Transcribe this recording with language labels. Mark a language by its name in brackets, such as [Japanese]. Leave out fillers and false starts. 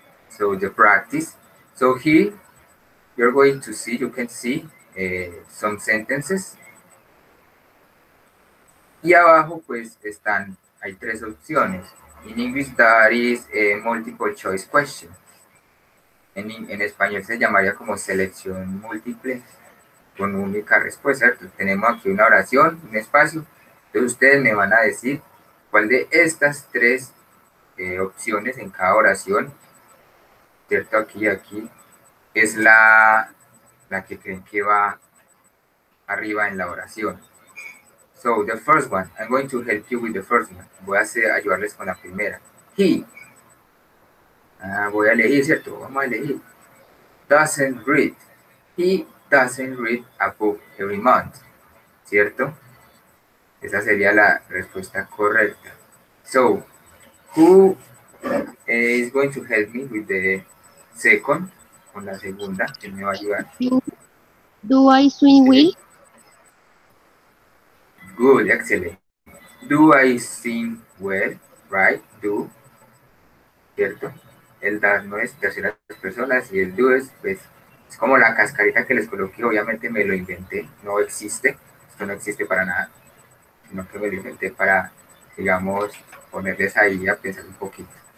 [English] So the practice. So here, you're going to see, you can see some sentences. [Spanish] Y abajo, pues, están, hay tres opciones. [English] In English, that is a multiple choice question. [Spanish] En español se llamaría como selección múltiple con única respuesta, ¿cierto? Tenemos aquí una oración, un espacio. Entonces, ustedes me van a decir cuál de estas tres opciones en cada oración, ¿cierto? Aquí y aquí. Es la que creen que va arriba en la oración. [English] So, the first one. I'm going to help you with the first one. [Spanish] Voy a ayudarles con la primera. He. Voy a elegir, ¿cierto? Vamos a elegir. [English] Doesn't read. He doesn't read a book every month. ¿Cierto? [Spanish] Esa sería la respuesta correcta. [English] So, who is going to help me with the second? [Spanish] Con la segunda, que me va a ayudar. [English] Do I swim well? Good, excellent. Do I swim well? Right, do. ¿Cierto? [Spanish] El does no es tercera persona, y el do es, pues, es como la cascarita que les coloqué, obviamente me lo inventé, no existe, esto no existe para nada, sino que me lo inventé para, digamos, ponerles ahí a pensar un poquito.